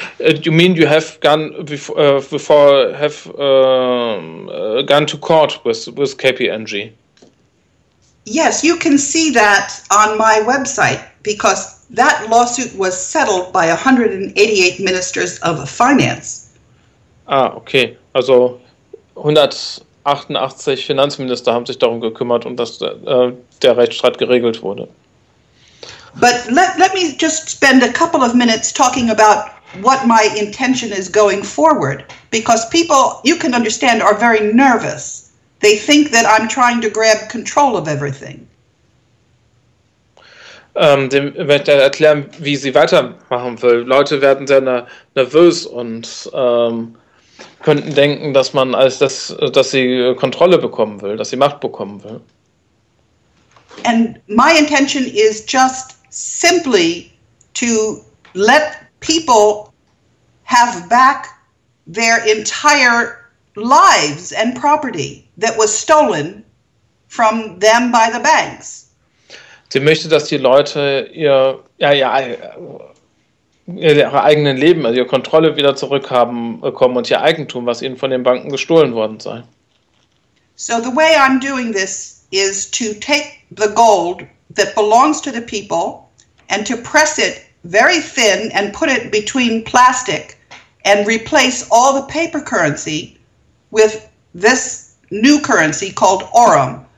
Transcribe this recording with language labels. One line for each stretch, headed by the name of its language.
English: You mean you have gone to court with KPMG? Yes, you can see that on my website, because that lawsuit was settled by 188 ministers of finance. Ah, okay.
German: Also 188 Finanzminister haben sich darum gekümmert, und dass der Rechtsstreit geregelt wurde.
English: But let me just spend a couple of minutes talking about what my intention is going forward, because people, you can understand, are very nervous. They think that I'm trying to grab control of everything.
German: Ich möchte erklären, wie sie weitermachen will. Leute werden sehr nervös und könnten denken, dass man dass sie Kontrolle bekommen will, dass sie Macht bekommen will.
English: And my intention is just simply to let people have back their entire lives and property that was stolen from them by the banks.
German: Sie möchte, dass die Leute ihre eigenen Leben, also ihre Kontrolle wieder zurückhaben bekommen und ihr Eigentum, was ihnen von den Banken gestohlen worden sei.
English: So the way I'm doing this is to take the gold that belongs to the people and to press it very thin and put it between plastic and replace all the paper currency with this new currency called Aurum.